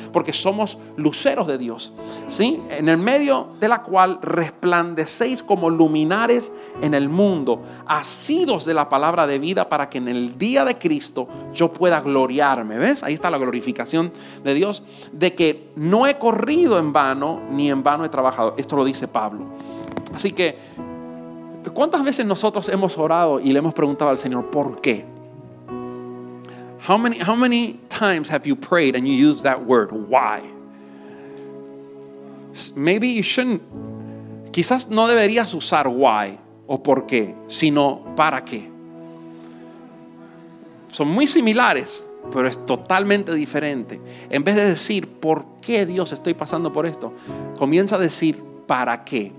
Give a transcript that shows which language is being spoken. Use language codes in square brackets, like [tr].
[es] Porque somos luceros de Dios, ¿sí? En el medio de la cual resplandecéis como luminares en el mundo, asidos de la palabra de vida, para que en el día de Cristo yo pueda gloriarme, ¿ves? Ahí está la glorificación de Dios, de que no he corrido en vano, ni en vano he trabajado. Esto lo dice Pablo. Así que, ¿cuántas veces nosotros hemos orado y le hemos preguntado al Señor por qué? [en] How many times have you prayed and you used that word, why? Maybe you shouldn't. [es] Quizás no deberías usar why o por qué, sino para qué. Son muy similares, pero es totalmente diferente. En vez de decir por qué, Dios, estoy pasando por esto, comienza a decir para qué.